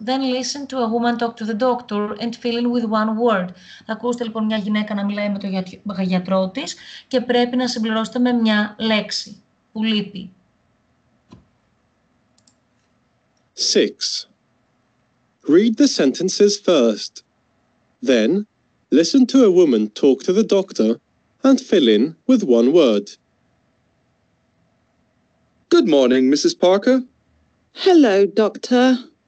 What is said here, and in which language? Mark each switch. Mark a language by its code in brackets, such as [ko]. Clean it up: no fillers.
[en] Then listen to a woman talk to the doctor and fill in with one word. [el] Ακούστε λοιπόν μια γυναίκα να μιλάει με τον γιατρό της και πρέπει να συμπληρώσετε με μια λέξη που λείπει. [en] 6. Read the sentences first. Then listen to a woman talk to the doctor and fill in with one word. Good morning, Mrs. Parker. Hello, Doctor.